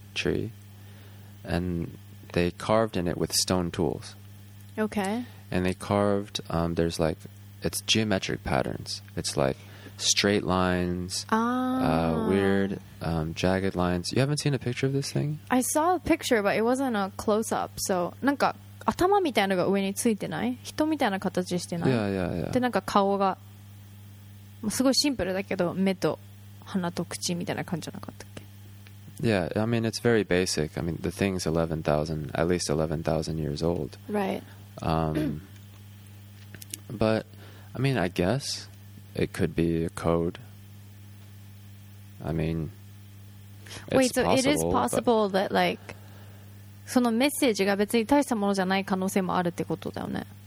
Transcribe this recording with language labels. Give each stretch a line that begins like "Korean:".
English: Tree, and they carved in it with stone tools. Okay. And they carved, there's like, it's geometric patterns. It's like straight lines, weird jagged lines. You haven't seen a picture of this thing? I saw a picture, but it wasn't a close-up.
Japanese: So, なんか頭みたいなのが上についてない？人みたいな形してない？
English: Yeah, yeah, yeah.
Japanese: で、なんか顔が、もうすごいシンプルだけど、目と鼻と口みたいな感じじゃなかったっけ？
English: Yeah, I mean, it's very basic. I mean, the thing's 11,000, at least 11,000 years old. Right. but, I mean, I guess it could be a code. I mean, it's possible. Wait, so it is possible that, like,
Japanese: そのメッセージが別に大したものじゃない可能性もあるってことだよね。